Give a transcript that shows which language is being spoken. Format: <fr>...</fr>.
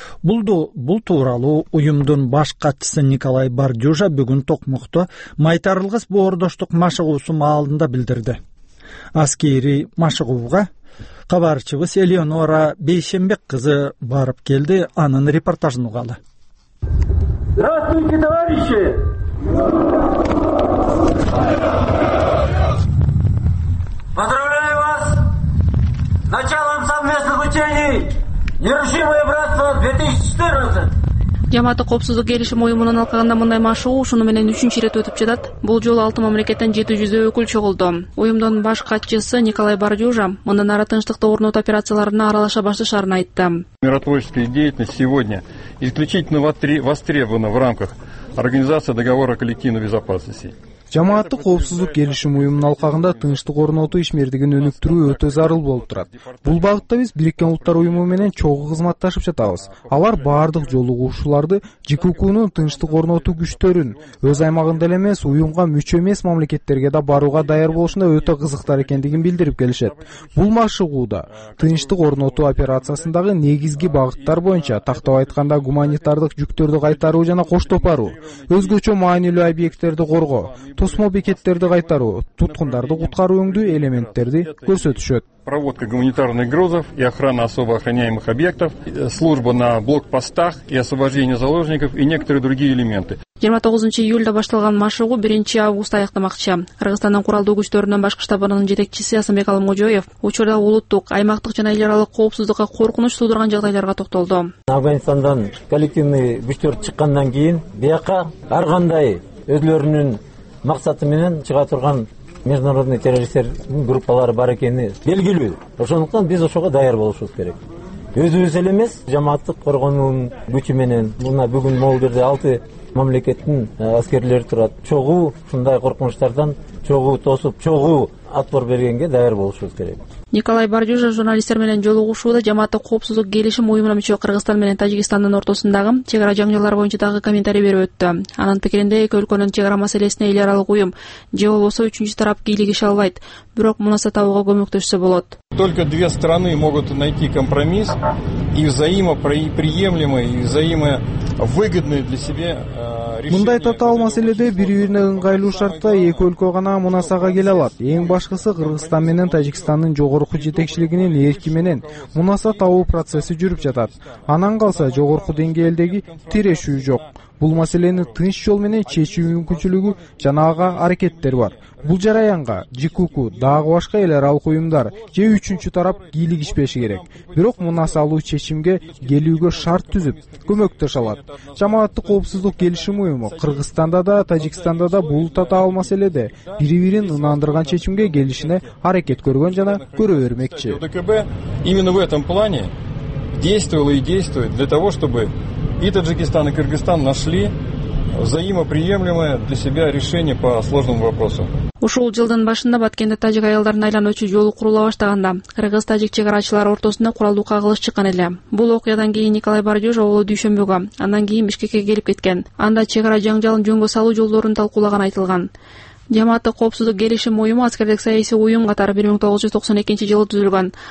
<ky>Бул тууралуу уюмдун баш катчысы Николай Бардюжа бүгүн Токмокто майтарылгыс боордоштук машыгуусу маалында билдирди. Аскери машыгууга кабарчыбыз Элеонора Бейшенбек кызы барып келди, анын репортажын угалы.</ky> <ru>Здравствуйте, товарищи! Поздравляю вас с началом совместных учений «Нерушимое братство 2014».</ru> <ky>Жамааттык коопсуздук келишим уюмунун алкагында мындай машыгуу ушуну менен үчүнчү ирет өтүп жатат. Бул жолу 6 мамлекеттен 700 өкүл чогулду. Уюмдун баш катчысы Николай Бардюжа мындан ары тынчтыкты орнотуу операцияларына аралаша башташарын айтты.</ky> <ru>Миротворческая деятельность сегодня исключительно востребована в рамках организации договора коллективной безопасности.</ru> <ky>Жамааттык коопсуздук келишим уюмунун алкагында тынчтык орнотуу ишмердигин өнүктүрүү өтө зарыл болуп турат. Бул багытта биз Бириккен Улуттар Уюму менен чогуу кызматташып жатабыз. Алар баардык жолугушууларды ЖКУКнун тынчтык орнотуу күчтөрүн өз аймагында эле эмес, уюмга мүчө эмес мамлекеттерге да барууга даяр болушуна өтө кызыктар экендигин билдирип келишет. Бул машыгууда тынчтык орнотуу операциясындагы негизги багыттар боюнча, тактап айтканда, гуманитардык жүктөрдү кайтаруу жана коштоп баруу, өзгөчө маанилүү объекттерди коргоо, тосмо бекеттерди кайтаруу, туткундарды куткаруу өңдүү элементтерди көрсөтүшөт.</ky> <ru>Проводка гуманитарных грузов и охрана особо охраняемых объектов, служба на блокпостах и освобождение заложников и некоторые другие элементы.</ru> <ky>29-июлда башталган машыгуу 1-августта аяктамакчы. Кыргызстандын куралдуу күчтөрүнүн башкы штабынын жетекчиси Асымбек Алможоев учурда улуттук, аймактык жана эл аралык коопсуздукка коркунуч туудурган жагдайларга токтолду. Афганистандан коллективный күчтөр чыккандан кийин бияка ар кандай өзлөрүнүн максаты менен чыга турган международный террористтердин группалары бар экени белгилүү. Ошондуктан биз ошого даяр болушубуз керек. Өзүбүз эле эмес, жамааттык коргоонун күчү менен мына бүгүн могул жерде 6 мамлекеттин аскерлери турат. Чогуу ушундай коркунучтардан чогуу тосуп, чогуу отпор бергенге даяр болушубуз керек. Николай Бардюжа журналисттер менен жолугушууда жамааттык коопсуздук келишим уюмуна мүчө Кыргызстан менен Тажикстандын ортосундагы чек ара жаңжалдары боюнча дагы комментарий берип өттү. Анын пикиринде эки өлкөнүн чек ара маселесине эл аралык уюм же болбосо үчүнчү тарап кийлигише албайт, бирок мунаса табууга көмөктөшсө болот.</ky> <ru>Только две страны могут найти компромисс и взаимоприемлемый и взаимовыгодный для себя</ru> <ky>Мындай татаал маселеде бири-бирине ыңгайлуу шартта эки өлкө гана мунасага келе алат. Эң башкысы Кыргызстан менен Тажикстандын жогорку жетекчилигинин эрки менен мунаса табуу процесси жүрүп жатат. Анан калса жогорку деңгээлдеги тирешүү жок. Бул маселени тынч жол менен чечүү мүмкүнчүлүгү жана ага аракеттер бар. Бул жараянга Жикуку, дагы башка эл аралык уюмдар же үчүнчү тарап кийлигишпеши керек. Бирок мунасалуу чечимге келүүгө шарт түзүп, көмөктөш алат. Жамааттык коопсуздук келишими уюму Кыргызстанда да, Тажикстанда да бул татаал маселеде бири-бирин ынандырган чечимге келишине аракет көргөн жана көрө бермекчи.</ky> <ru>ДКБ именно в этом плане действовало и действует для того, чтобы и Таджикистан, и Кыргызстан нашли взаимоприемлемое для себя решение по сложному вопросу.</ru> <ky>Ушул жылдын башында Баткенде тажик аялдарын айлануучу жолу курула баштаганда, кыргыз-тажик чек арачылары ортосунда куралдуу кагылыш чыккан эле. Бул окуядан кийин Николай Бардюш оолу дүйшөмбүгө, андан кийин Бишкекке келип кеткен. Анда чек ара жаңжалын жөнгө салуу жолдорун талкуулаган айтылган. Жамааттык коопсуздук келишим уюму аскердик саясий уюм катары 1992 жылы түзүлгөн.</ky>